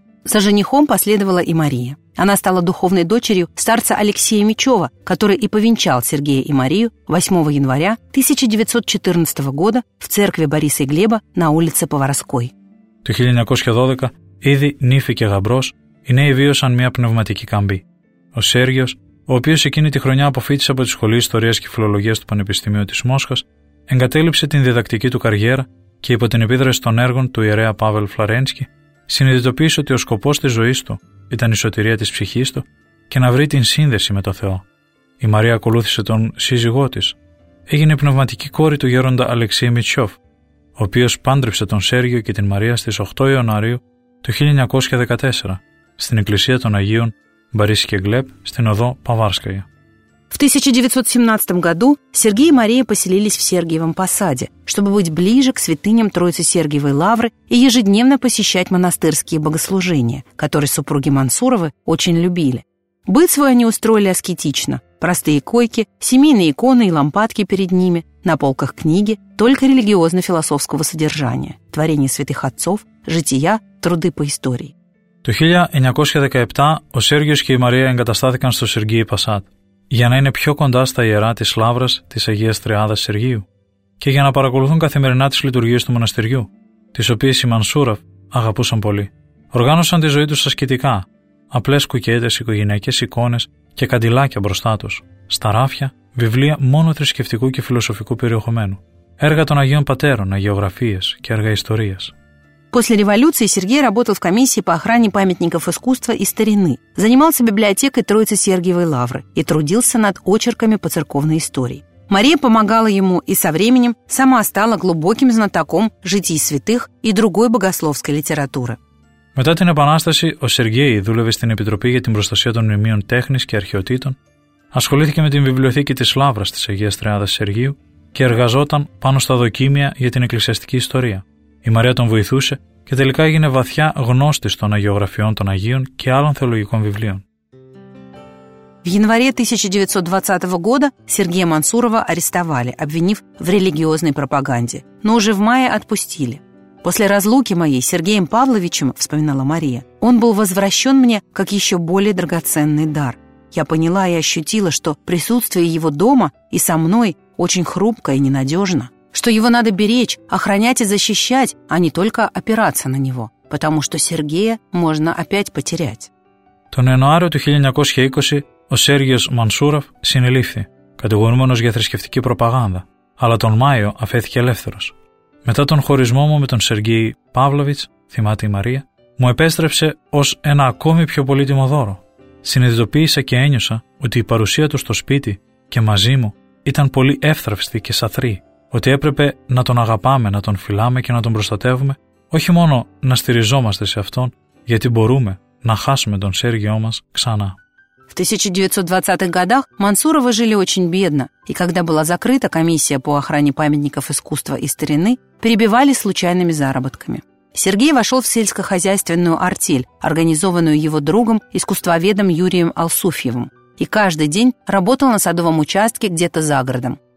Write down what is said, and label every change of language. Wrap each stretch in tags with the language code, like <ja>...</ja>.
<ru>За женихом последовала и Мария. Она стала духовной дочерью старца Алексея Мечева, который и повенчал Сергея и Марию 8 января 1914 года в церкви Бориса и Глеба на улице Поварской.</ru> <el>В 1912 ήδη νύφη και γαμπρός, οι νέοι βίωσαν μια πνευματική καμπή. Ο Σέργιος, ο οποίος εκείνη τη χρονιά αποφύτησε από τη Σχολή Ιστορίας και Φιλολογίας του Πανεπιστημίου της Μόσχας, εγκατέλειψε την διδακτική του καριέρα και υπό την επίδραση των έργων του ιερέα Παύλου Φλαρένσκι, συνειδητοποίησε ότι ο σκοπός της ζωής του ήταν η σωτηρία της ψυχής του και να βρει την σύνδεση με το Θεό. Η Μαρία ακολούθησε τον σύζυγό της. Έγινε πνευματική κόρη του γέροντα Αλεξία Μητσιόφ, ο οποίος πάντρεψε τον Σέργιο και την Μαρία στις 8 Ιανουαρίου το 1914, στην Εκκλησία των Αγίων Борис και Глеб, στην Οδό Παβάρσκαια.</el> <ru>В 1917 году Сергей и Мария поселились в Сергиевом Посаде, чтобы быть ближе к святыням Троицы Сергиевой Лавры и ежедневно посещать монастырские богослужения, которые супруги Мансуровы очень любили. Быт свой они устроили аскетично. Простые койки, семейные иконы и лампадки перед ними, на полках книги, только религиозно-философского содержания, творения святых отцов, жития, труды по истории.</ru> <el>Το 1917 ο Σέργιος και η Μαρία εγκαταστάθηκαν στο Σεργίη Πασάτ για να είναι πιο κοντά στα ιερά της Λαύρας της Αγίας Τριάδας Σεργίου και για να παρακολουθούν καθημερινά τις λειτουργίες του μοναστηριού, τις οποίες οι Μανσούραφ αγαπούσαν πολύ. Οργάνωσαν τη ζωή τους ασκητικά, απλές κουκέτες, οικογενειακές εικόνες και καντιλάκια μπροστά τους, στα ράφια βιβλία μόνο θρησκευτικού και φιλοσοφικού περιεχομένου. Έργα των Αγίων Πατέρων, αγιογραφίες και έργα ιστορίας.</el> <ru>После революции Сергей работал в комиссии по охране памятников искусства и старины, занимался библиотекой Троицы Сергиевой Лавры и трудился над очерками по церковной истории. Мария помогала ему и со временем сама стала глубоким знатоком житий святых и другой богословской литературы.</ru> <el>Μετά την Επανάσταση, ο Σεργέη δούλευε στην Επιτροπή για την Προστασία των Μνημείων Τέχνης και Αρχαιοτήτων, ασχολήθηκε με την Βιβλιοθήκη της Λαύρας της Αγίας Τριάδας Σεργίου και εργαζόταν πάνω στα δοκίμια για την εκκλησιαστική ιστορία. Η Μαρία τον βοηθούσε και τελικά έγινε βαθιά γνώστης των αγιογραφιών των Αγίων και άλλων θεολογικών βιβλίων.</el> <ru>В январе 1920 года Сергея Мансурова арестовали, обвинив в религиозной пропаганде, но уже в мае отпустили. «После разлуки моей с Сергеем Павловичем, — вспоминала Мария, — он был возвращен мне как еще более драгоценный дар. Я поняла и ощутила, что присутствие его дома и со мной очень хрупко и ненадежно, что его надо беречь, охранять и защищать, а не только опираться на него, потому что Сергея можно опять потерять».</ru> <el>Τον Ιανουάριο του 1920 ο Σέργιος Μανσούροφ συνελήφθη, κατηγορούμενος για θρησκευτική προπαγάνδα, αλλά τον Μάιο αφέθηκε ελεύθερος. Μετά τον χωρισμό μου με τον Σεργέη Παύλοβιτς, θυμάται η Μαρία, μου επέστρεψε ως ένα ακόμη πιο πολύτιμο δώρο. Συνειδητοποίησα και ένιωσα ότι η παρουσία του στο σπίτι και μαζί μου ήταν πολύ εύθραυστη και σαθρή, ότι έπρεπε να τον αγαπάμε, να τον φιλάμε και να τον προστατεύουμε, όχι μόνο να στηριζόμαστε σε αυτόν, γιατί μπορούμε να χάσουμε τον Σέργιό μας ξανά.</el> <ru>В 1920-х годах Мансуровы жили очень бедно, и когда была закрыта комиссия по охране памятников искусства и старины, перебивали случайными заработками. Сергей вошел в сельскохозяйственную артель, организованную его другом, искусствоведом Юрием Алсуфьевым, и каждый день работал на садовом участке где-то за городом.</ru>